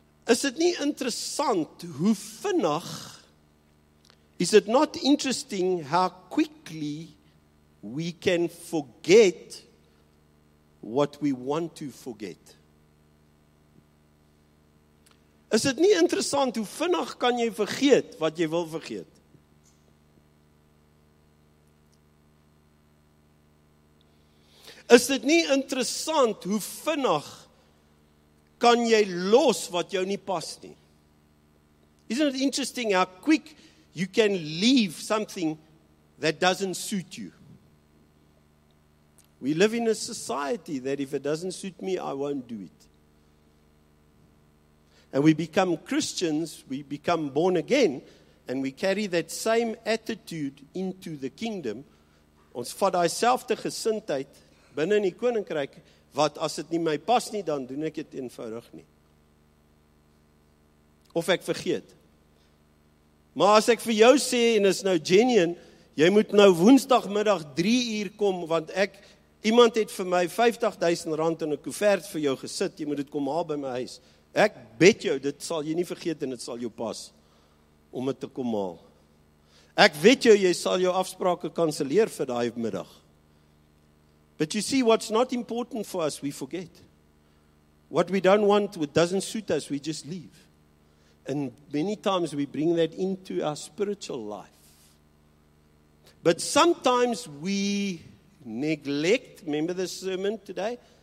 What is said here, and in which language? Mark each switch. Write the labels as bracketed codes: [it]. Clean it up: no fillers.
[af] Is it nie interessant hoe vinnig, [en] is it not interesting how quickly we can forget what we want to forget? [af] Is dit nie interessant hoe vinnig kan jy vergeet wat jy wil vergeet? Is dit nie interessant hoe vinnig kan jy los wat jou nie pas nie? [en] Isn't it interesting how quick you can leave something that doesn't suit you? We live in a society that if it doesn't suit me, I won't do it. And we become Christians, we become born again, and we carry that same attitude into the kingdom. [af] Ons vat dieselfde gesindheid binne in die koninkryk, wat as dit nie my pas nie, dan doen ek dit eenvoudig nie. Of ek vergeet. Maar as ek vir jou sê, en is nou genuine, jy moet nou woensdagmiddag 3 uur kom, want ek, iemand het vir my 50.000 rand in 'n koevert vir jou gesit, jy moet dit kom haal by my huis. Ek bet jou, dit sal jy nie vergeet en dit sal jou pas om het te kom haal. Ek weet jou, jy sal jou afsprake kanselleer vir die middag. [en] But you see, what's not important for us, we forget. What we don't want, what doesn't suit us, we just leave. And many times we bring that into our spiritual life. But sometimes we neglect, remember this sermon today?